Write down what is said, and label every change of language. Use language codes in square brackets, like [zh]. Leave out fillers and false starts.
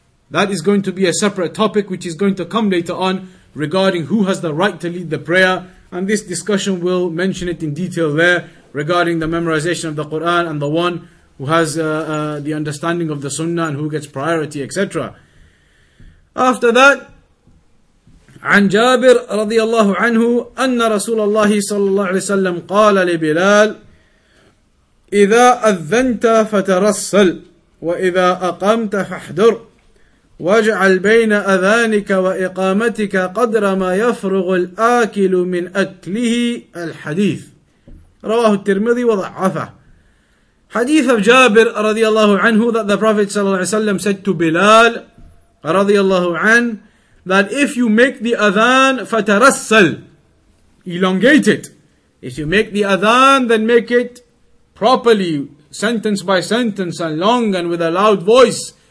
[en] That is going to be a separate topic which is going to come later on regarding who has the right to lead the prayer. And this discussion will mention it in detail there regarding the memorization of the Qur'an and the one who has the understanding of the sunnah and who gets priority, etc. After that, [ar] عن جابر رضي الله عنه أن رسول الله صلى الله عليه وسلم قال لبلال إذا أذنت فترسل وإذا أقمت فاحذر واجعل بين أذانك وإقامتك قدر ما يفرغ الآكل من أكله الحديث رواه الترمذي وضعفه. [en] Hadith of Jabir radiallahu anhu that the Prophet said to Bilal radiallahu an, that if you make the adhan, fatarassal, elongate it. If you make the adhan, then make it properly, sentence by sentence, and long and with a loud voice.